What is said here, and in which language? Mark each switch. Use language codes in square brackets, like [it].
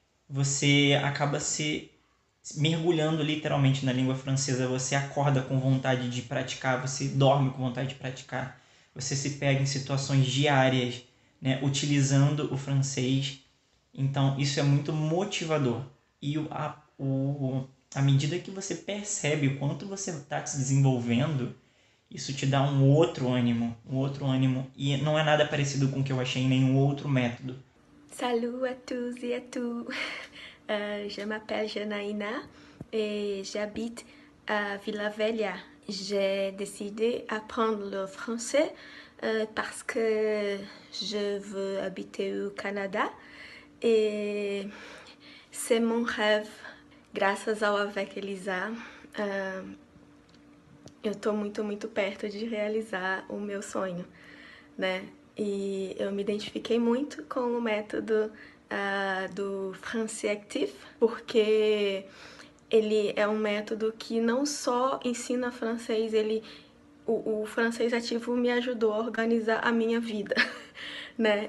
[pt] Você acaba se mergulhando literalmente na língua francesa, você acorda com vontade de praticar, você dorme com vontade de praticar, você se pega em situações diárias, né, utilizando o francês. Então, isso é muito motivador. E o À medida que você percebe o quanto você está se desenvolvendo, isso te dá um outro ânimo, e não é nada parecido com o que eu achei em nenhum outro método. [fr] Salut à tous et à tout. Je m'appelle Janaína et j'habite à Vila Velha. J'ai décidé d'apprendre le français parce que je veux habiter au Canada et c'est mon rêve. [pt] Graças ao Avec Elisa, eu tô muito, muito perto de realizar o meu sonho, né? E eu me identifiquei muito com o método do Français Actif, porque ele é um método que não só ensina francês, o francês ativo me ajudou a organizar a minha vida, né?